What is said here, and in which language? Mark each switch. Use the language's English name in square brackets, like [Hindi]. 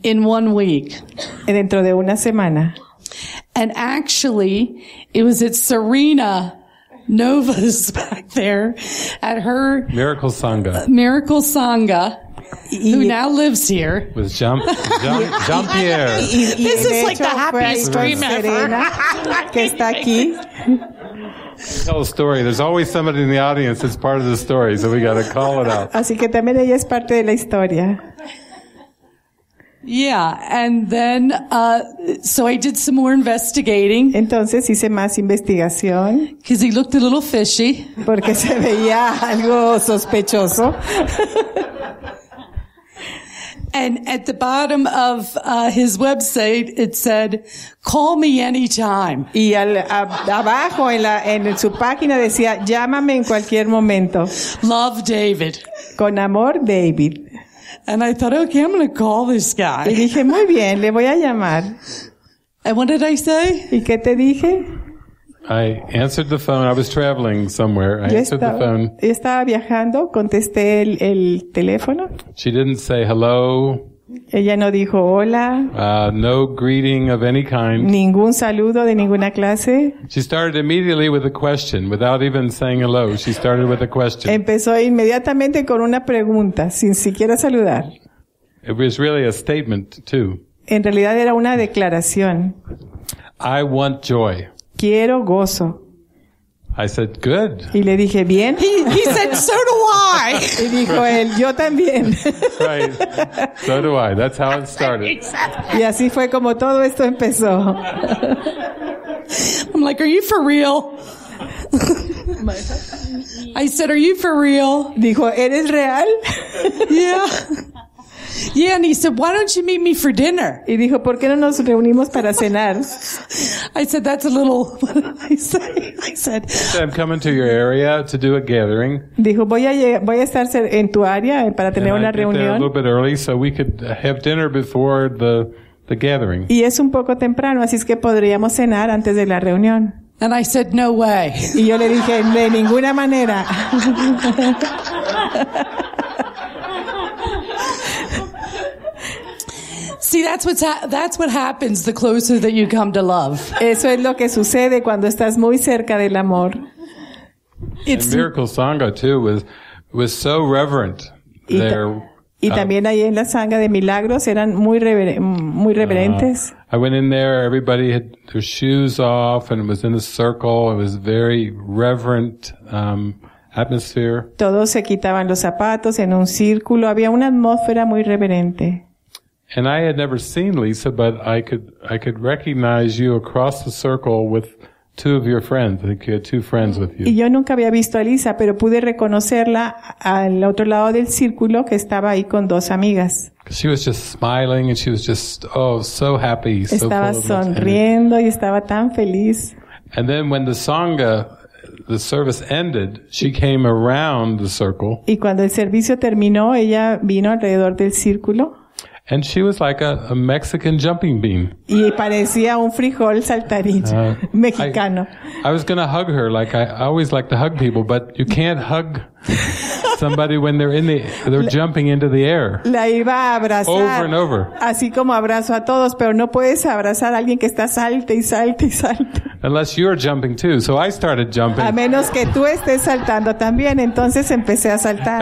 [English] In 1 week. [Spanish] Dentro de una semana. [English] And actually, it was at Serena Nova's back there at her Miracle Sangha. Miracle Sangha. Who now lives here. With Jean-Pierre. This is like the happiest dream Serena, ever. [Spanish] Que está aquí. [English] Tell a story. There's always somebody in the audience that's part of the story, so we got to call it out. [Spanish] Así que también ella es parte de la historia. [English] Yeah, and then, so I did some more investigating. [Spanish] Entonces hice más investigación. [English] Because he looked a little fishy. [Spanish] Porque se veía algo sospechoso. [English] And at the bottom of his website, it said, "Call me anytime." [Spanish] Y abajo en su página decía, "Llámame en cualquier momento." [English] Love, David. [Spanish] Con amor, David. [English] And I thought, okay, I'm going to call this guy. [Spanish] Y dije, muy bien, le voy a llamar. [English] And what did I say? [Spanish] ¿Y qué te dije? [English] I answered the phone. I was traveling somewhere. I answered the phone. [Spanish] Yo estaba viajando. Contesté el teléfono. [English] She didn't say hello. [Spanish] Ella no dijo hola. [English] No greeting of any kind. [Spanish] Ningún saludo de ninguna clase. [English] She started immediately with a question, without even saying hello. She started with a question. [Spanish] Empezó inmediatamente con una pregunta, sin siquiera saludar. [English] It was really a statement too. [Spanish] En realidad era una declaración. [English] I want joy. [Spanish] Quiero gozo. [English] I said, good. [Spanish] Y le dije, bien. [English] He said, so do I. [Spanish] Y dijo él, yo también. [English] Right. So do I. That's how it started. [Spanish] Y así fue como todo esto empezó. [English] I'm like, are you for real? I said, are you for real? [Spanish] Dijo, ¿eres real? [English] Yeah, and he said, why don't you meet me for dinner? [Spanish] Y dijo, ¿por qué no nos reunimos para cenar? [English] I said, that's a little, I said. I'm coming to your area to do a gathering. [Spanish] Dijo, voy a estar en tu área para tener una reunión. [English] And I get there a little bit early so we could have dinner before the gathering. [Spanish] Y es un poco temprano, así es que podríamos cenar antes de la reunión. [English] And I said, no way. [Spanish] Y yo le dije, de ninguna manera. [English] See, that's what happens the closer that you come to love. [Spanish] Eso es lo que sucede cuando estás muy cerca del amor. [English] And Miracle Sangha too was so reverent there. [Spanish] Y también ahí en la Sangha de Milagros eran muy reverentes. [English] I went in there, everybody had their shoes off and was in a circle. It was very reverent atmosphere. [Spanish] Todos se quitaban los zapatos en un círculo. Había una atmósfera muy reverente. [English] And I had never seen Lisa, but I could recognize you across the circle with two of your friends. I think you had two friends with you. [Spanish] Y yo nunca había visto a Lisa, pero pude reconocerla al otro lado del círculo que estaba ahí con dos amigas. [English] She was just smiling and she was just, oh, so happy. [Spanish] Estaba sonriendo y estaba tan feliz. [English] And then when the Sangha, the service ended, she came around the circle. [Spanish] Y cuando el servicio terminó, ella vino alrededor del círculo. [English] And she was like a Mexican jumping bean. [Spanish] Y parecía un frijol saltarín mexicano. [English] I was going to hug her like I always like to hug people, but you can't hug somebody when they're jumping into the air. [Spanish] La iba a abrazar. [English] Over and over. [Spanish] Así como abrazo a todos, pero no puedes abrazar a alguien que está salte y salte y salte. [English] Unless you're jumping too, so I started jumping. [Spanish] A menos que tú estés saltando también, entonces empecé a saltar.